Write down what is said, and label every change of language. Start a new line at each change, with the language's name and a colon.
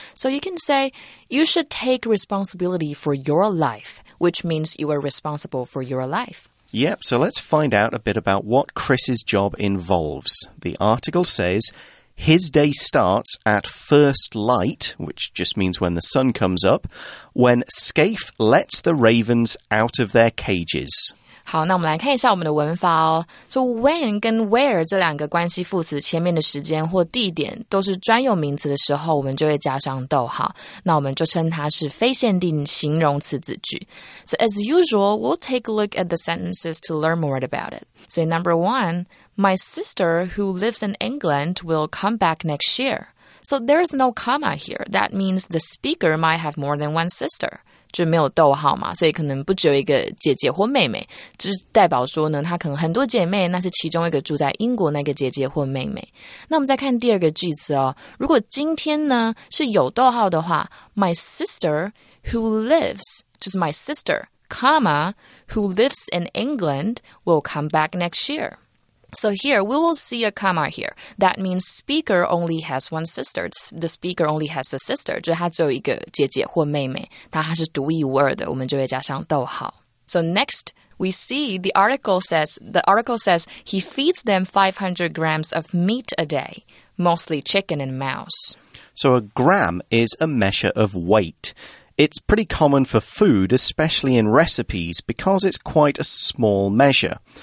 English: So you can say you should take responsibility for your life, which means you are responsible for your life. Yep, so let's find out a bit about what Chris's job involves. The article says, his day starts at first light, which just means when the sun comes up, when Scaife lets the ravens out of their cages.
Chinese: 好，那我们来看一下我们的文法哦。So when 跟 where 这两个关系副词前面的时间或地点都是专有名词的时候，我们就会加上逗号。那我们就称它是非限定形容词子句。
English: So as usual, we'll take a look at the sentences to learn more about it. So number one, my sister who lives in England will come back next year. So there is no comma here. That means the speaker might have more than one sister.
Chinese: 就没有逗号嘛，所以可能不只有一个姐姐或妹妹，就是代表说呢，她可能很多姐妹，那是其中一个住在英国那个姐姐或妹妹。那我们再看第二个句子哦，如果今天呢是有逗号的话 ，
English: my sister who lives
Chinese: 就是
English: my sister, comma who lives in England will come back next year. So here, we will see a comma here. That means speaker only has one sister. The speaker only has a sister.
Chinese: 就她只有一个姐姐或妹妹。她还是独一无二的。我们就会加上逗号。
English: So next, we see the article says he feeds them 500 grams of meat a day, mostly chicken and mouse. So a gram is a measure of weight. It's pretty common for food, especially in recipes, because it's quite a small measure.